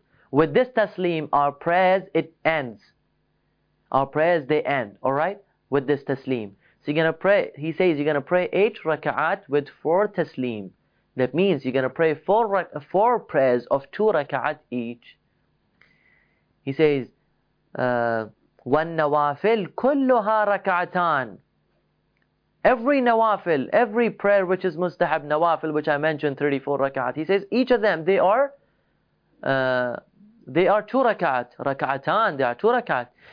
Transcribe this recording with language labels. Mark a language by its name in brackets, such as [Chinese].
[English] With this taslim, our prayers, it ends. Our prayers, they end, alright? With this taslim. So you're going to pray, he says you're going to pray 8 raka'at with 4 taslim. That means you're going to pray 4 prayers of 2 raka'at each. He says, [Arabic] وَالنَّوَافِلْ كُلُّهَا رَكَعَتَانِ. [English] Every nawafil, every prayer which is mustahab nawafil, which I mentioned, 34 raka'at. He says, each of them, they are 2 raka'at. Raka'atan, they are 2 raka'at.